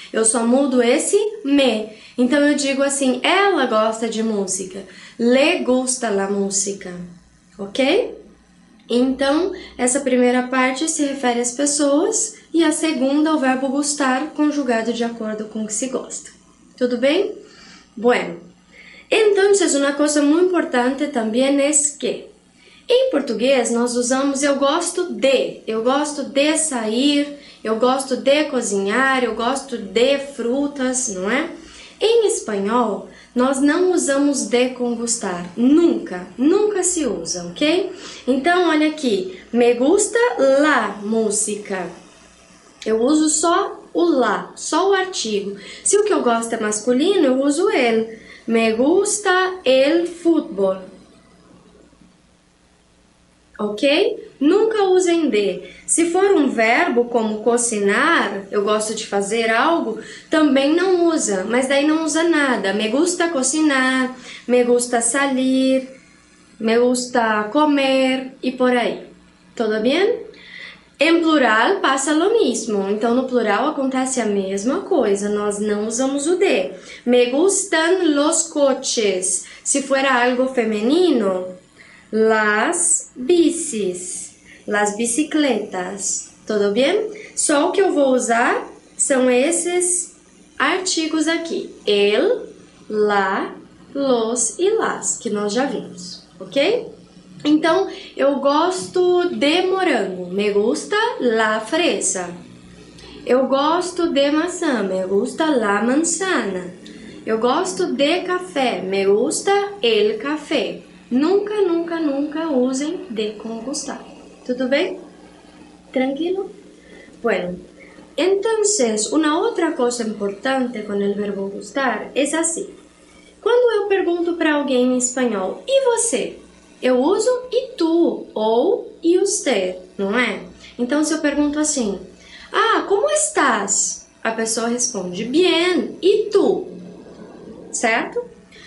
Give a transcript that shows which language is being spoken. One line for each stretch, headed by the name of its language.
Portuguese: Eu só mudo esse me. Então eu digo assim: ela gosta de música.
Spanish: Le gusta la música.
Portuguese: Ok? Então, essa primeira parte se refere às pessoas e a segunda ao verbo gustar, conjugado de acordo com o que se gosta. Tudo bem? Bueno.
Spanish: Entonces, una cosa muy importante también es que.
Portuguese: Em português, nós usamos eu gosto de. Eu gosto de sair, eu gosto de cozinhar, eu gosto de frutas, não é? Em espanhol, nós não usamos de com gostar. Nunca, nunca se usa, ok? Então, olha aqui.
Spanish: Me gusta la música.
Portuguese: Eu uso só o la, só o artigo. Se o que eu gosto é masculino, eu uso el.
Spanish: Me gusta el fútbol.
Portuguese: Ok? Nunca usem de. Se for um verbo como cocinar, eu gosto de fazer algo, também não usa, mas daí não usa nada.
Spanish: Me gusta cocinar, me gusta salir, me gusta comer
Portuguese: e por aí. Tudo bem? Em plural passa
Spanish: lo mismo.
Portuguese: Então no plural acontece a mesma coisa. Nós não usamos o de.
Spanish: Me gustan los coches.
Portuguese: Se for algo feminino.
Spanish: Las bicis, las bicicletas,
Portuguese: tudo bem? Só o que eu vou usar são esses artigos aqui: el, la, los e las, que nós já vimos, ok? Então, eu gosto de morango,
Spanish: me gusta la fresa.
Portuguese: Eu gosto de maçã,
Spanish: me gusta la manzana.
Portuguese: Eu gosto de café,
Spanish: me gusta el café.
Portuguese: Nunca, nunca, nunca usem de com gustar. Tudo bem? Tranquilo?
Spanish: Bueno, entonces, una otra cosa importante con el verbo gustar es así.
Portuguese: Quando eu pergunto para alguém em espanhol, e você? Eu uso e tu ou e usted, não é? Então, se eu pergunto assim, ah, como estás? A pessoa responde, bien, e tu? Certo?